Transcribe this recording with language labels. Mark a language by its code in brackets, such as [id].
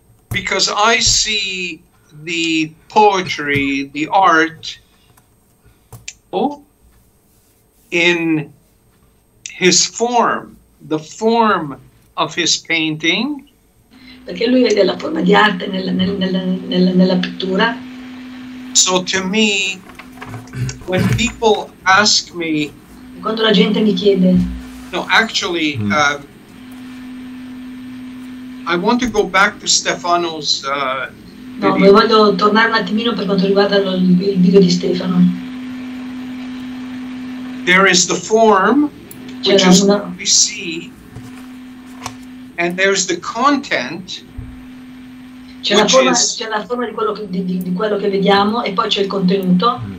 [en] Because I see the poetry, the art, in his form, the form of his painting. [it] Perché lui vede la forma di arte nella pittura. [en] So to me, when people ask me, [it] quando la gente mi chiede, [en] no, actually. I want to go back to Stefano's video. [it] No, voglio tornare un attimino per quanto riguarda il video di Stefano. [en] There is the form, which is what we see, and there's the content. [it] C'è la forma di quello che vediamo e poi c'è il contenuto.